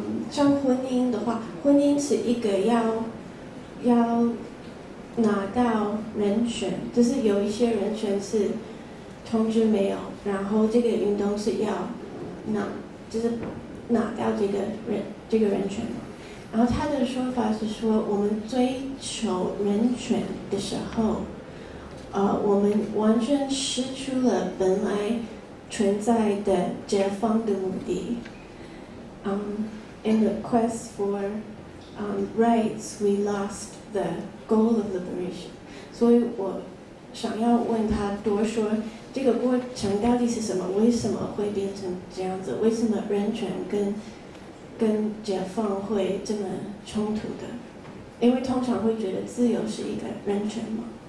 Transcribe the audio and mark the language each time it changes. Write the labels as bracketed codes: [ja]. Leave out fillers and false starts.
[zh] 像婚姻的话，婚姻是一个要拿到人权，就是有一些人权是同志没有，然后这个运动是要拿到这个人权。然后他的说法是说，我们追求人权的时候，我们完全失去了本来存在的解放的目的。 [en] In the quest for rights, we lost the goal of liberation. [zh] 所以我想要问他多说这个过程到底是什么，为什么会变成这样子，为什么人权跟解放会这么冲突的，因为通常会觉得自由是一个人权嘛。